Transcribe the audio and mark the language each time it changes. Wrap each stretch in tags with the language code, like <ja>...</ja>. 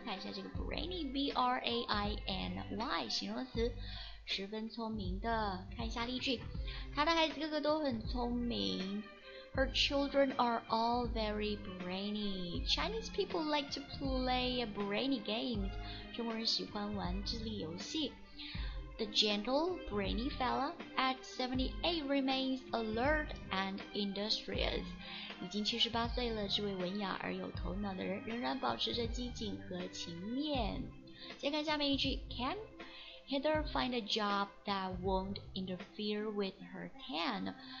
<zh>看一下这个 brainy， B-R-A-I-N-Y 形容词，十分聪明的。看一下例句，他的孩子个个都很聪明。</zh> <en>Her children are all very brainy. Chinese people like to play brainy games.</en> <zh>中国人喜欢玩智力游戏。</zh> <en>The gentle, brainy fella at 78 remains alert and industrious.</en> <zh>已经78岁了，这位文雅而有头脑的人仍然保持着机警和勤勉。先看下面一句，</zh> <en>Can Heather find a job that won't interfere with her tan?</en>